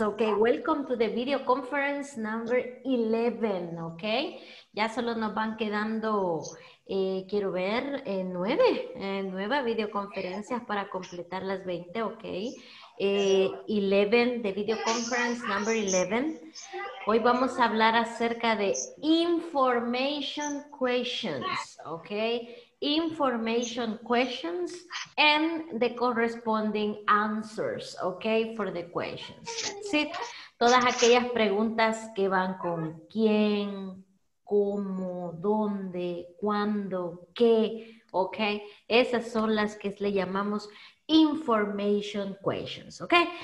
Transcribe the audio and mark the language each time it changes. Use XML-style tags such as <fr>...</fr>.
<en>Okay, welcome to the video conference number 11, okay?</en> <es>Ya solo nos van quedando, quiero ver, nueve videoconferencias para completar las 20, okay?</es> <en>11, the video conference number 11.</en> <es>Hoy vamos a hablar acerca de information questions, okay?</es> <en>Information questions and the corresponding answers, okay, for the questions. That's it.</en> <es>Todas aquellas preguntas que van con quién, cómo, dónde, cuándo, qué, okay, esas son las que le llamamos information questions, okay.</es>